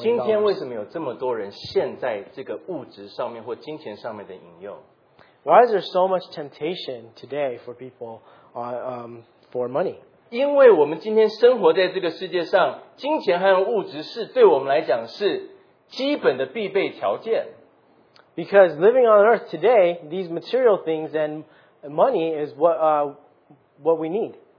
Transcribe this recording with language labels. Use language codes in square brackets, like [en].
[zh] 今天为什么有这么多人陷在这个物质上面或金钱上面的引诱？ [en] Why is there so much temptation today for people for money? [zh] 因为我们今天生活在这个世界上，金钱和物质是对我们来讲是基本的必备条件。 [en] Because living on earth today, these material things and money is what we need.